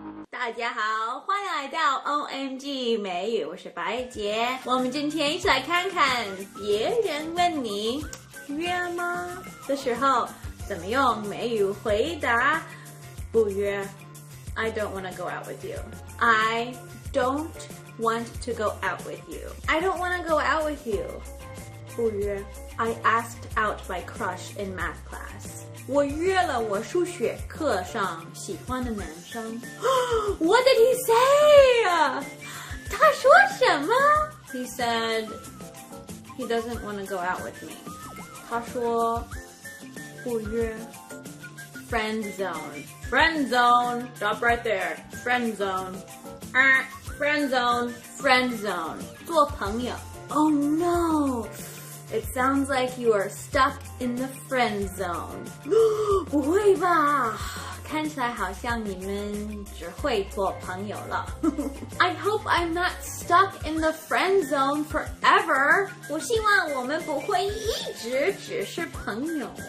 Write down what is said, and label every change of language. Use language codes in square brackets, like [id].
[zh] 大家好，欢迎来到 OMG 美语，我是白杰。我们今天一起来看看别人问你约吗的时候怎么用美语回答。不约。 [en] I don't want to go out with you. I don'twant to go out with you. I don't want to go out with you. [zh] 不约。 [en] I asked out my crush in math class. [zh] 我约了我数学课上喜欢的男生。 [en] What did he say? [zh] 他说什么？ [en] He said he doesn't want to go out with me. [zh] 他说不约。 [en] Friend zone. Friend zone. Stop right there. Friend zone. Friend zone. [zh] 做朋友。 [en] Oh no! It sounds like you are stuck in the friend zone. [zh] 不会吧？看起来好像你们只会做朋友了。 [en] I hope I'm not stuck in the friend zone forever. [zh] 我希望我们不会一直只是朋友。